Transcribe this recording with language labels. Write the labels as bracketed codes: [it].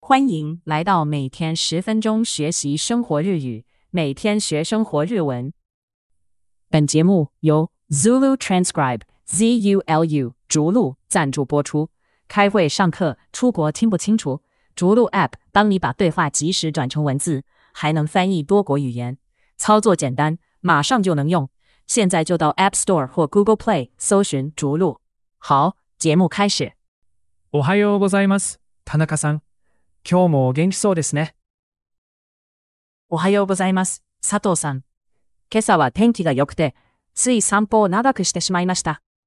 [zh] 欢迎来到每天十分钟学习生活日语，每天学生活日文。本节目由 Zulu Transcribe ZULU 逐鹿赞助播出。开会、上课、出国听不清楚，逐鹿 App 帮你把对话及时转成文字，还能翻译多国语言，操作简单，马上就能用。现在就到 App Store 或 Google Play 搜寻逐鹿。好，节目开始。 [ja] おはようございます、田中さん。今日もお元気そうですね。おはようございます、佐藤さん。今朝は天気が良くて、つい散歩を長くしてしまいました。